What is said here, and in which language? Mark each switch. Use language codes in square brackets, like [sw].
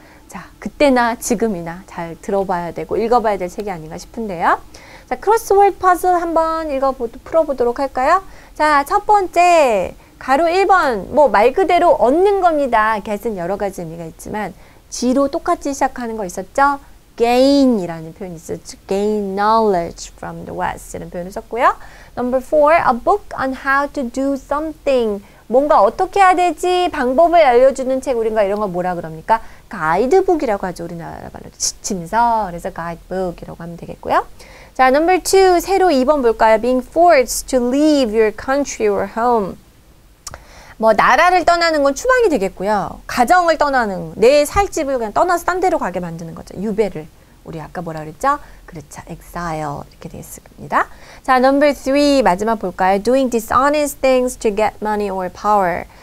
[ko] 자, 그때나 지금이나 잘 들어봐야 되고 읽어봐야 될 책이 아닌가 싶은데요. 자, 크로스워드 퍼즐 한번 풀어보도록 할까요? 자, 첫 번째, 가로 1번, 뭐 말 그대로 얻는 겁니다. [en] get [ko] 은 여러 가지 의미가 있지만, g로 똑같이 시작하는 거 있었죠? [en] gain [ko] 이라는 표현이 있었죠. [en] gain knowledge from the west [ko] 이런 표현을 썼고요. [en] number 4, a book on how to do something. [ko] 뭔가 어떻게 해야 되지? 방법을 알려주는 책, 우린가 이런 걸 뭐라 그럽니까? 가이드북이라고 하죠. 우리나라 말로 지침서. 그래서 가이드북이라고 하면 되겠고요. 자, [en] number 2, [ko] 새로 2번 볼까요? [en] Being forced to leave your country or home. [ko] 뭐 나라를 떠나는 건 추방이 되겠고요. 가정을 떠나는, 내 살집을 그냥 떠나서 딴 데로 가게 만드는 거죠. 유배를. 우리 아까 뭐라 그랬죠? 그렇죠. [en] Exile [ko] 이렇게 되겠습니다. 자, [en] number 3, [ko] 마지막 볼까요? [en] Doing dishonest things to get money or power.